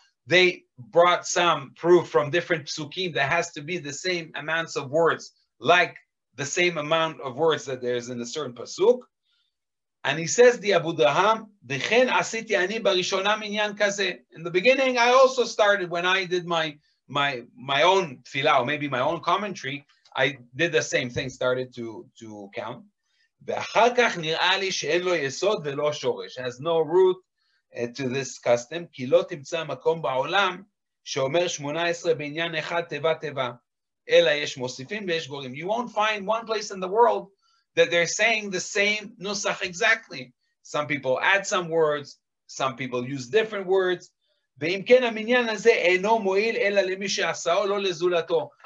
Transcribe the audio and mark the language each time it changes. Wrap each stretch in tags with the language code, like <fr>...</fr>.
<en>They brought some proof from different psukim that has to be the same amounts of words, like the same amount of words that there is in a certain pasuk. And he says,</en> <he>"The Abu Draham, v'chen asiti ani barishona minyan kaze."</he> <en>In the beginning, I also started when I did my own tefillah, or maybe my own commentary. I did the same thing, started to count.</en> <he>V'achar kach nir'ah li she'en lo yesod ve'lo shoresh,</he> <en>has no root to this custom,</en> <he>כי לא תמצא מקום בעולם שאומר 18 בעניין אחד תיבה תיבה, אלא יש מוסיפים ויש גורים.</he> <en>You won't find one place in the world that they're saying the same nusach exactly. Some people add some words, some people use different words.</en> <he>ואם כן המניין הזה אינו מועיל אלא למי שעשהו לא לזולתו.</he>